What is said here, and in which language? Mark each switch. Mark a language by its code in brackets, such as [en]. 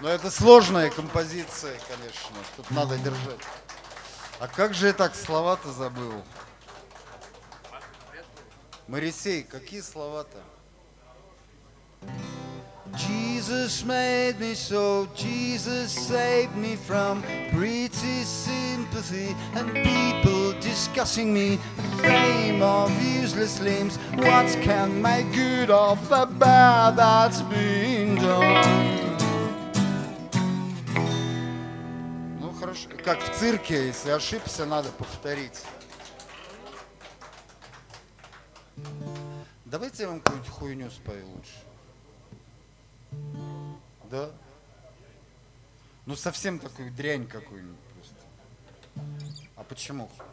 [ru] Сложная композиция, конечно, тут надо держать. А как же я так слова-то забыл? Моррисей, какие слова-то? [en] Jesus made me so, Jesus saved me from pretty sympathy and people discussing me, fame of useless limbs. What can make good of the bad that's been done? [ru] Как в цирке, если ошибся, надо повторить. Давайте я вам какую-нибудь хуйню спою лучше. Да? Ну совсем такую дрянь какую-нибудь просто. А почему?